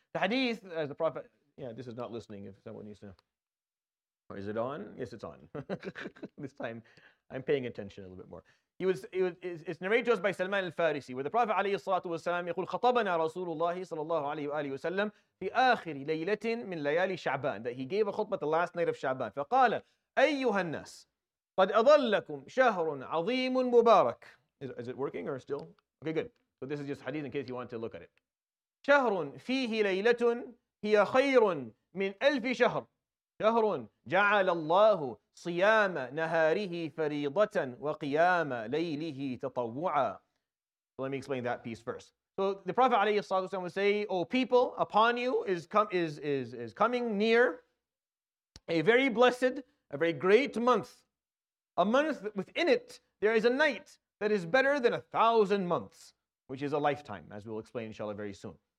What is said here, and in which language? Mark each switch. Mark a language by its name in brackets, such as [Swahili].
[English] The hadith, as the Prophet, this is not listening if someone needs to know. Or is it on? Yes, it's on. This time I'm paying attention a little bit more. It's narrated to us by Salman al-Farisi, where the Prophet [Arabic] عليه الصلاة والسلام يقول خطبنا رسول الله صلى الله عليه وآله وسلم في آخر ليلة من ليالي شعبان, [English] that he gave a khutbah the last night of Shaban. [Arabic] فقال أيها الناس قد أظلكم شهر عظيم مبارك. [English] Is it working or still? Okay, good. So this is just hadith in case you want to look at it. [Arabic] شهر فيه ليلة هي خير من ألف شهر. شهر جعل الله صيام نهاره فريضة وقيام ليله تطوعا. [English] So let me explain that piece first. So the Prophet عليه الصلاة والسلام would say, "O people, upon you is coming near a very blessed, a very great month. A month within it there is a night that is better than 1,000 months, which is a lifetime, as we'll explain inshallah very soon.